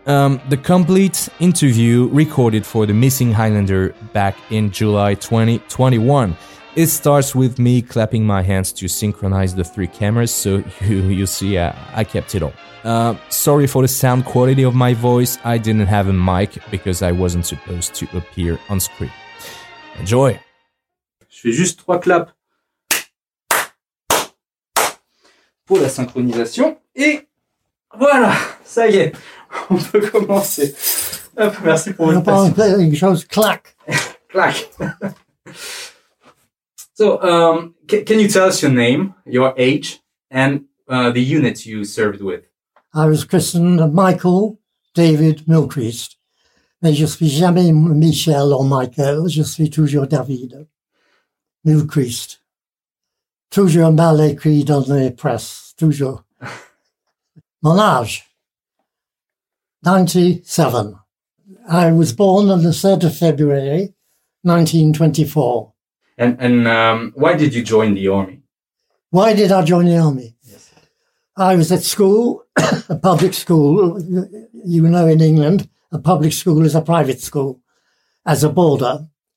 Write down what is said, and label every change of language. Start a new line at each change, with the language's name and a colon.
English: The complete interview recorded for The Missing Highlander back in July 2021. It starts with me clapping my hands to synchronize the three cameras, so you see I kept it all. Sorry for the sound quality of my voice, I didn't have a mic because I wasn't supposed to appear on screen. Enjoy!
French: Je fais juste trois claps. Pour la synchronisation et voilà, ça y est, on peut commencer. Hop, merci pour votre patience. Une chose, clac, clac.
English: So, can you tell us your name, your age, and the unit you served with? I was christened
French: Michael David Milchreist, mais je suis jamais Michel or Michael. Je suis toujours David Milchreist. toujours mal écrit dans les presses, toujours. Mon âge, 97.
English: I was born on the 3rd of February, 1924. And why did you join the army? Why did I join the army? Yes. I was at school, a public school. You know, in England, a public school is a private school, as a boarder.